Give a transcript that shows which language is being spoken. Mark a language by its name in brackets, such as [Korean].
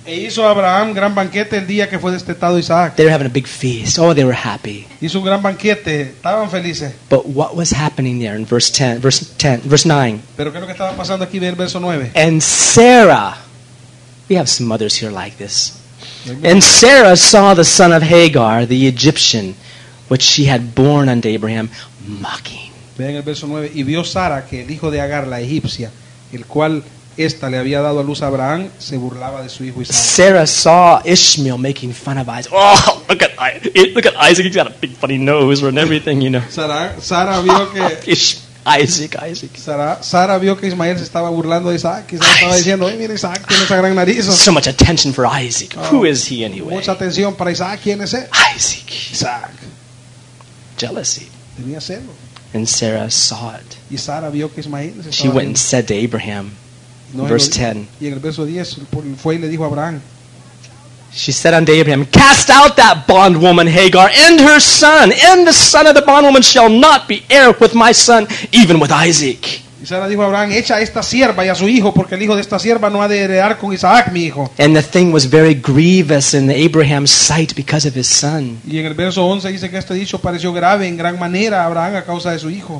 [Spanish] E hizo Abraham gran banquete el día que fue destetado Isaac. [English] They were having a big feast. Oh, they were happy. [Spanish] Hizo un gran banquete. Estaban felices. [English] But what was happening there in verse 9? [Spanish] Pero qué es lo que estaba pasando aquí en el verso 9. [English] And Sarah, we have some mothers here like this. And Sarah saw the son of Hagar, the Egyptian, which she had borne unto Abraham, mocking. [Spanish] Vean el verso 9. Y vio Sara que el hijo de Agar, la egipcia, el cual esta le había dado a luz a Abraham, se burlaba de su hijo Isaac. [English] Sarah saw Ishmael making fun of Isaac. Oh, look at Isaac, he's got a big funny nose and everything, you know. [Spanish] Sara vio que Isaac. Sara vio que Ismael se estaba burlando de Isaac. Isaac estaba diciendo, "Ay, mira Isaac, tiene esa gran nariz." [English] So much attention for Isaac. Oh, who is he anyway? [Spanish] Mucha atención para Isaac, ¿quién es él? [English] Isaac. Jealousy. [Spanish] Tenía celo. [English] And Sarah saw it. [Spanish] Y Sara vio que Ismael se estaba [English] She went and said to Abraham. Verse 10. She said unto Abraham, cast out that bondwoman Hagar and her son, and the son of the bondwoman shall not be heir with my son, even with Isaac. [Spanish] Y Sara dijo a Abraham, echa a esta sierva y a su hijo, porque el hijo de esta sierva no ha de heredar con Isaac, mi hijo. [English] And the thing was very grievous in Abraham's sight because of his son. [Spanish] Y en el verso 11 dice que este dicho pareció grave en gran manera a Abraham a causa de su hijo.